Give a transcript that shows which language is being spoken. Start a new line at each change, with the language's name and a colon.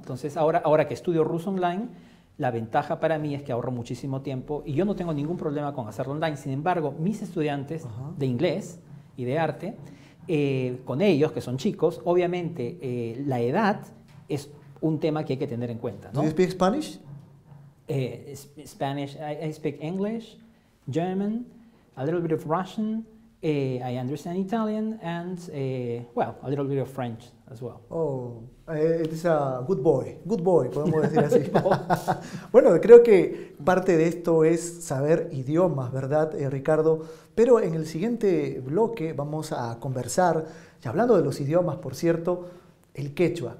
Spanish: Entonces, ahora que estudio ruso online, la ventaja para mí es que ahorro muchísimo tiempo y yo no tengo ningún problema con hacerlo online. Sin embargo, mis estudiantes de inglés y de arte, con ellos, que son chicos, obviamente la edad es un tema que hay que tener en cuenta, ¿no?
English: ¿Do you speak Spanish? Spanish, I speak English, German, a little bit of Russian, I understand Italian, and, well, a little bit of French as well. Oh, it's a good boy,
Spanish: podemos decir así. Bueno, creo que parte de esto es saber idiomas, ¿verdad, Ricardo? Pero en el siguiente bloque vamos a conversar, y hablando de los idiomas, por cierto, el quechua.